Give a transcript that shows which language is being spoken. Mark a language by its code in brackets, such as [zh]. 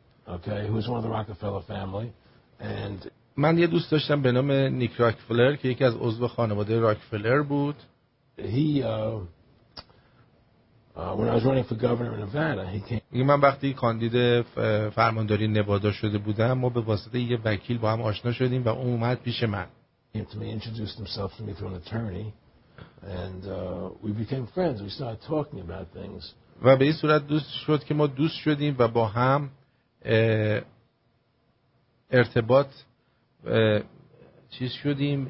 [en] Okay, who was one of the Rockefeller family. And [fa] من یه دوست داشتم به نام نیک راکفلر که یکی از عضو خانواده راکفلر بود. [en] When I was running for governor in Nevada, he came. [fa] من وقتی کاندید فرمانداری نوادا شده بودم، ما به واسطه یه وکیل با هم آشنا شدیم و اون اومد پیش من. [en] came to me, introduced himself to me through an attorney, and we became friends. We started talking about things. [fa] و به این صورت دوست شد که ما دوست شدیم و با هم ارتباط چیز شدیم.